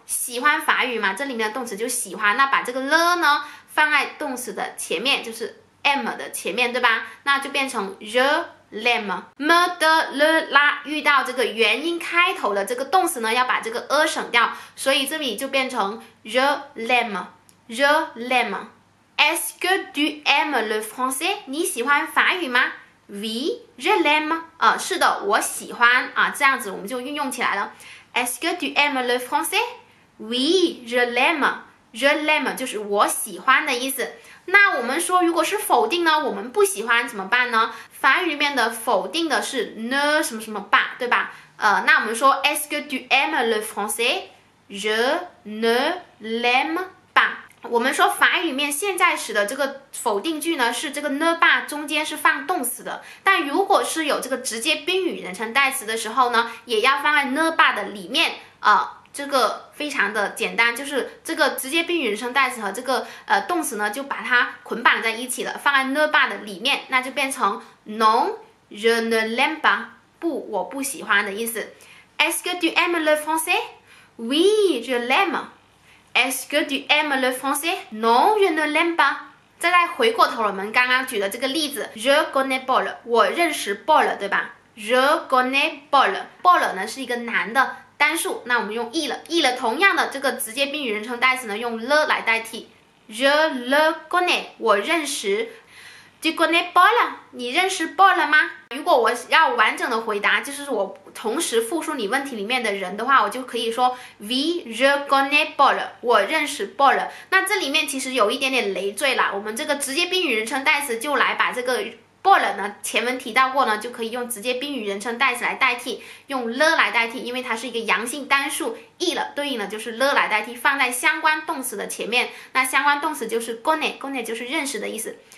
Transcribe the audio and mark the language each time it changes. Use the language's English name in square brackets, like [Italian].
[Chinese] 喜欢法语嘛，这里面的动词就喜欢，那把这个 le 呢放在动词的前面，就是 m 的前面，对吧？那就变成 [French] je l'aime。 [Chinese] me de le la 遇到这个元音开头的这个动词呢，要把这个 a 省掉，所以这里就变成 [French] je l'aime je l'aime。 Est-ce que tu aimes le français? [Chinese] 你喜欢法语吗？ [French] Oui, je l'aime. [Chinese] 是的，我喜欢啊，这样子我们就运用起来了。 [French] Est-ce que tu aimes le français? Oui, je l'aime. Je l'aime [Chinese] 就是我喜欢的意思。那我们说如果是否定呢，我们不喜欢怎么办呢？法语里面的否定的是 ne 什么什么吧，对吧？那我们说 [French] Est-ce que tu aimes le français? Je ne l'aime pas. [Chinese] 我们说法语面现在时的这个否定句呢，是这个 ne pas 中间是放动词的，但如果是有这个直接宾语人称代词的时候呢，也要放在 ne pas 的里面啊。这个非常的简单，就是这个直接宾语人称代词和这个动词呢，就把它捆绑在一起了，放在 ne pas 的里面，那就变成 [French] non je ne l'aime pas， [Chinese] 不，我不喜欢的意思。 [French] Est-ce que tu aimes le français? Oui, je l'aime. Est-ce que tu aimes le français? Non, je ne l'aime pas. [Chinese] 再来回过头，我们刚刚举的这个例子 ， [French] Je connais Paul， [Chinese] 我认识 Paul， 对吧 ？Je connais Paul。 Paul 呢是一个男的单数，那我们用 il， il 同样的这个直接宾语人称代词呢，用 le 来代替。 [French] Je le connais， [Chinese] 我认识。 [French] Tu connais Paul？ [Chinese] 你认识 Paul 吗？如果我要完整的回答，就是我同时复述你问题里面的人的话，我就可以说 [French] Oui, je connais Paul， [Chinese] 我认识 Paul。那这里面其实有一点点累赘了，我们这个直接宾语人称代词就来把这个 Paul 呢，前文提到过呢，就可以用直接宾语人称代词来代替，用 le 来代替，因为它是一个阳性单数 il， 对应的就是 le 来代替，放在相关动词的前面，那相关动词就是 connais， connais 就是认识的意思。